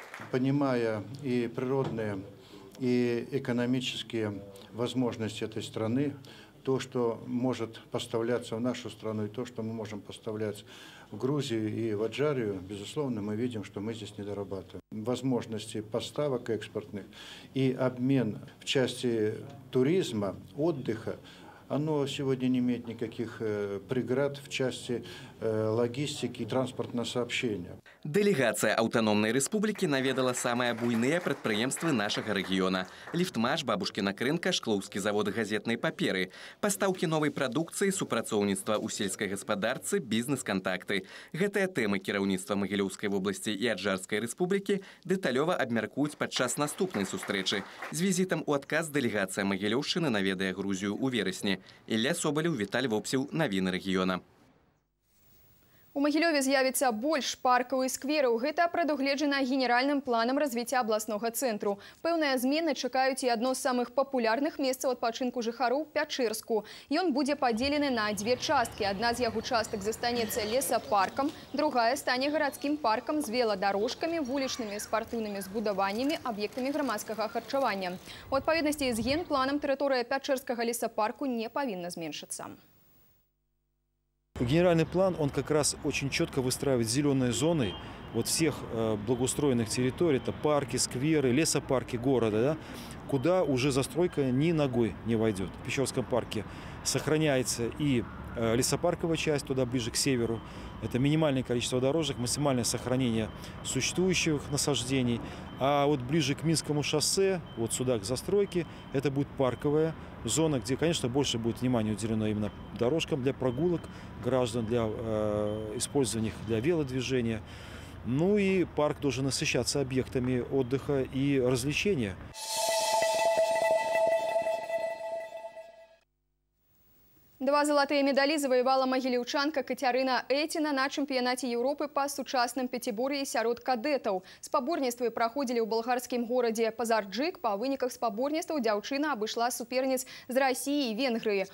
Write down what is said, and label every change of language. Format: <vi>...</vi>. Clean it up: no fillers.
<be>Понімая і прыродныя, і эканамічныя возможнасці этой страны, то, што можа пастаўляцца ў нашу страну, і то, што мы можам пастаўляць</be> <ru>в Грузию и в Аджарию, безусловно, мы видим, что мы здесь недорабатываем. Возможности поставок экспортных и обмен в части туризма, отдыха, оно сегодня не имеет никаких преград в части логистики и транспортного сообщения.</ru> <be>Делегация аўтаномнай рэспублікі наведала самыя буйныя прадпрыемствы нашага рэгіёна. Ліфтмаш, Бабушкіна крынка, Шклоўскі завод газетнай паперы. Пастаўкі новай прадукцыі, супрацоўніцтва ў сельскай гаспадарцы, бізнес-кантакты. Гэтыя тэмы кіраўніцтва Магілёўскай вобласці і Аджарскай рэспублікі дэталёва абмяркуюць падчас наступнай сустрэчы. З візітам у адказ делегацыя Магілёўшчыны наведае Грузію ў верасні. Ілля Соболеў, Віталь Вопсіў, навіны рэгіёна. У Магілёве з'явіцца больш паркаў і сквераў. Гэта прадугледжана генеральным планам развіцця абласнога цэнтру. Пэўныя змены чакаюць і адно з самых папулярных месцаў адпачынку жыхароў – Пячырску. Ён будзе падзелены на дзве часткі. Адна з яго частак застанецца лесапаркам, другая стане гарадскім паркам з веладарожкамі, вулічнымі спартыўнымі збудаваннямі, аб'ектамі грамадскага харчавання. У адпаведнасці з генпланам тэрыторыя Пячырскага лесапарку не павінна зменшыцца.</be> <ru>Генеральный план, он как раз очень четко выстраивает зеленые зоны вот всех благоустроенных территорий, это парки, скверы, лесопарки города, да, куда уже застройка ни ногой не войдет. В Пещерском парке сохраняется и лесопарковая часть, туда ближе к северу, это минимальное количество дорожек, максимальное сохранение существующих насаждений, а вот ближе к Минскому шоссе, вот сюда к застройке, это будет парковая зона, где, конечно, больше будет внимания уделено именно дорожкам для прогулок граждан, для использования их для велодвижения. Ну и парк должен насыщаться объектами отдыха и развлечения.</ru> <be>Два золотые медали завоевала магілёўчанка Кацярына Эціна на чемпіянаце Европы па сучасным пяціборі сярод кадэтаў. Спаборніцтвы праходзілі ў балгарскім горадзе Пазарджык. Па выніках спаборніцтваў дзяўчына абышла суперніц з Расіі і Венгрыі.</be>